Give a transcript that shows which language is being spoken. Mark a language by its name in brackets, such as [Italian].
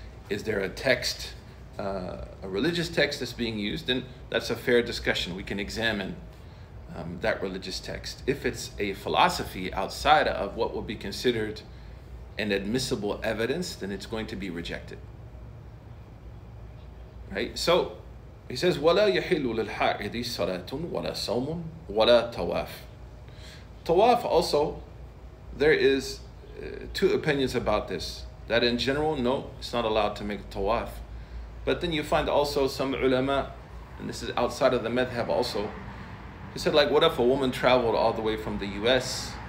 [English] Is there a text, a religious text that's being used? And that's a fair discussion. We can examine that religious text. If it's a philosophy outside of what would be considered an admissible evidence, then it's going to be rejected. Right? So he says, [Arabic] وَلَا يَحِلُّ لِلْحَائِضِ صَلَاتٌ وَلَا صَوْمٌ وَلَا تَوَافٌ. [English] Tawaf also, there is two opinions about this. That in general, no, it's not allowed to make tawaf. But then you find also some ulama, and this is outside of the madhab also, he said, like, what if a woman traveled all the way from the US?